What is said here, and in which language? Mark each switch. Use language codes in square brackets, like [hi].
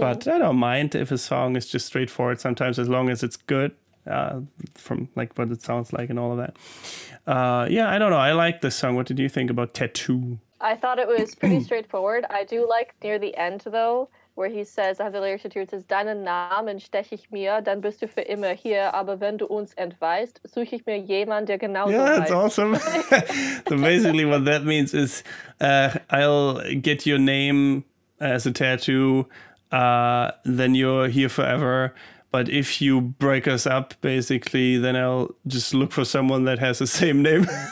[en] But I don't mind if a song is just straightforward sometimes, as long as it's good from like what it sounds like and all of that. I don't know. I like this song. What did you think about Tattoo? I thought it was pretty straightforward. I do like near the end, though, where he says, I have the lyrics here, it says, [de] deinen Namen steche ich mir, dann bist du für immer hier, aber wenn du uns entweist, suche ich mir jemand, der genau so heißt. [en] Yeah, that's awesome. So basically what that means is, I'll get your name as a tattoo, then you're here forever, but if you break us up, basically, then I'll just look for someone that has the same name.